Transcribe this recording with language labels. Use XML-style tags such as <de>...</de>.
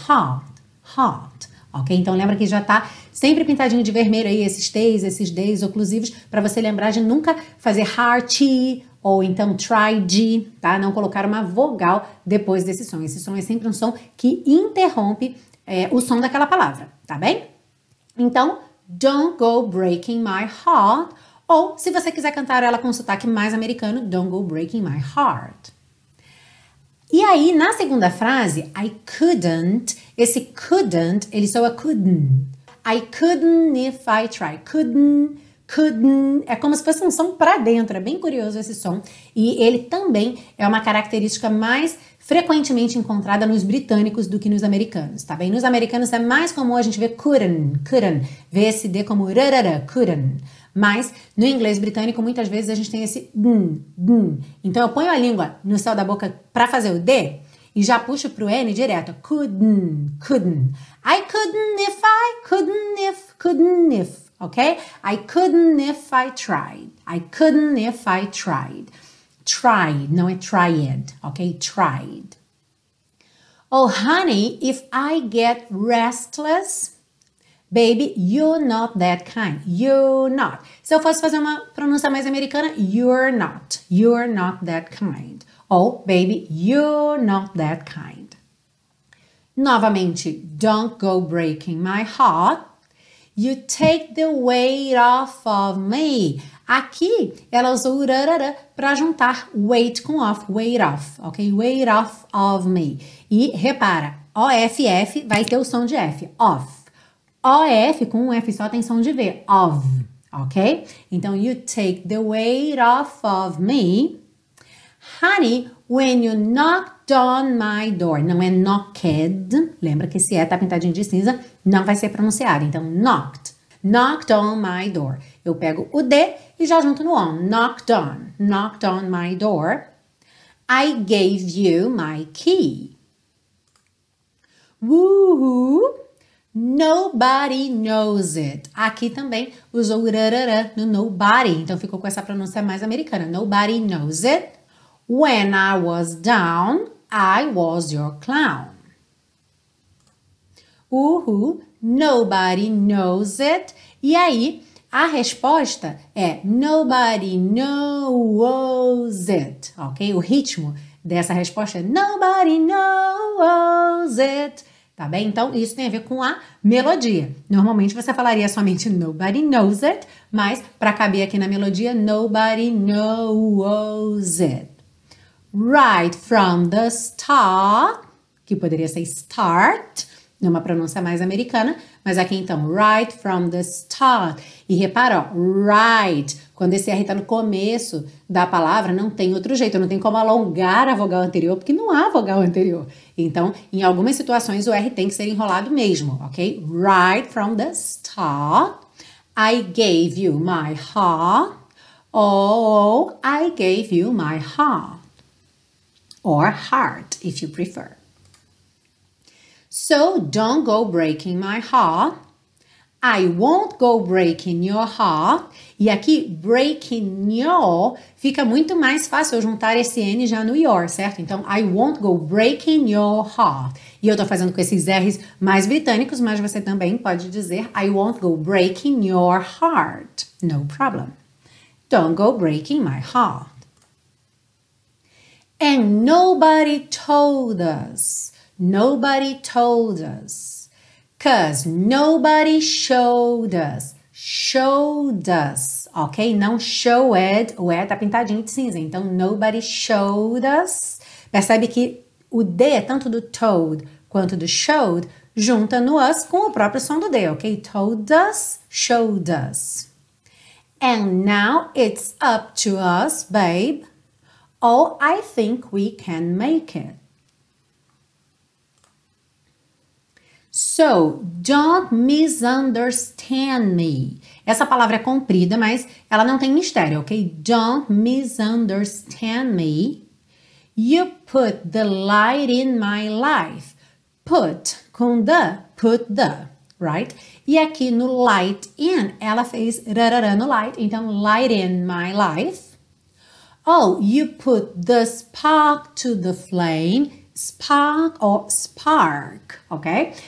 <pt>Heart, heart. Ok? Então, lembra que já tá sempre pintadinho de vermelho aí, esses T's, esses D's oclusivos, para você lembrar de nunca fazer hearty ou então try G, tá? Não colocar uma vogal depois desse som. Esse som é sempre um som que interrompe o som daquela palavra, tá bem?</pt> <en>Então, don't go breaking my heart.</en> <pt>Ou, se você quiser cantar ela com um sotaque mais americano,</pt> <en>don't go breaking my heart.</en> <pt>E aí, na segunda frase, I couldn't, esse couldn't, ele soa couldn't.</pt> <en>I couldn't if I tried,</en> <pt>couldn't, é como se fosse um som para dentro, é bem curioso esse som. E ele também é uma característica mais frequentemente encontrada nos britânicos do que nos americanos, tá bem? Nos americanos é mais comum a gente ver couldn't, ver esse D como rarara, couldn't. Mas no inglês britânico, muitas vezes a gente tem esse dn. Então eu ponho a língua no céu da boca para fazer o D e já puxo pro N direto.</pt> <en>Couldn't. I couldn't if I couldn't if, ok? I couldn't if I tried. I couldn't if I tried. Tried,</en> <pt>não é</pt> <en>tried, ok? Tried. Oh, honey, if I get restless, baby, you're not that kind. You're not.</en> <pt>Se eu fosse fazer uma pronúncia mais americana, you're not.</pt> <en>You're not that kind. Oh, baby, you're not that kind. Novamente, don't go breaking my heart. You take the weight off of me.</en> <pt>Aqui, ela usou urarara para juntar weight com off.</pt> <en>Weight off, ok? Weight off of me.</en> <pt>E repara, off vai ter o som de F,</pt> <en>off.</en> <pt>OF com um F só tem som de V, of, ok?</pt> <en>Então, you take the weight off of me. Honey, when you knocked on my door,</en> <pt>não é knocked, lembra que esse E tá pintadinho de cinza, não vai ser pronunciado, então knocked,</pt> <en>knocked on my door.</en> <pt>Eu pego o D e já junto no on,</pt> <en>knocked on my door. I gave you my key. Woohoo! Nobody knows it.</en> <pt>Aqui também usou rarara no nobody, então ficou com essa pronúncia mais americana.</pt> <en>Nobody knows it. When I was down, I was your clown. Uhu, nobody knows it.</en> <pt>E aí, a resposta é</pt> <en>nobody knows it,</en> <pt>ok? O ritmo dessa resposta é</pt> <en>nobody knows it.</en> <pt>Tá bem? Então, isso tem a ver com a melodia. Normalmente, você falaria somente</pt> <en>nobody knows it,</en> <pt>mas para caber aqui na melodia, nobody knows it.</pt> <en>Right from the start,</en> <pt>que poderia ser start, numa pronúncia mais americana, mas aqui então,</pt> <en>right from the start.</en> <pt>E repara, ó, right, quando esse R tá no começo da palavra, não tem outro jeito, não tem como alongar a vogal anterior, porque não há vogal anterior. Então, em algumas situações, o R tem que ser enrolado mesmo, ok?</pt> <en>Right from the start, I gave you my heart, oh, I gave you my heart, or heart, if you prefer. So, don't go breaking my heart. I won't go breaking your heart.</en> <pt>E aqui, breaking your, fica muito mais fácil eu juntar esse N já no your, certo?</pt> <en>Então, I won't go breaking your heart.</en> <pt>E eu tô fazendo com esses R's mais britânicos, mas você também pode dizer</pt> <en>I won't go breaking your heart. No problem. Don't go breaking my heart. And nobody told us. Nobody told us. Because nobody showed us. Showed us, ok?</en> <pt>Não showed, o E tá pintadinho de cinza. Então,</pt> <en>nobody showed us.</en> <pt>Percebe que o D é tanto do told quanto do showed, junta no us com o próprio som do D, ok?</pt> <en>Told us, showed us. And now it's up to us, babe. Oh, I think we can make it. So, don't misunderstand me.</en> <pt>Essa palavra é comprida, mas ela não tem mistério, ok?</pt> <en>Don't misunderstand me. You put the light in my life. Put, com the, put the, right?</en> <pt>E aqui no light in, ela fez rarara no light, então</pt> <en>light in my life. Oh, you put the spark to the flame, spark or spark, ok?</en>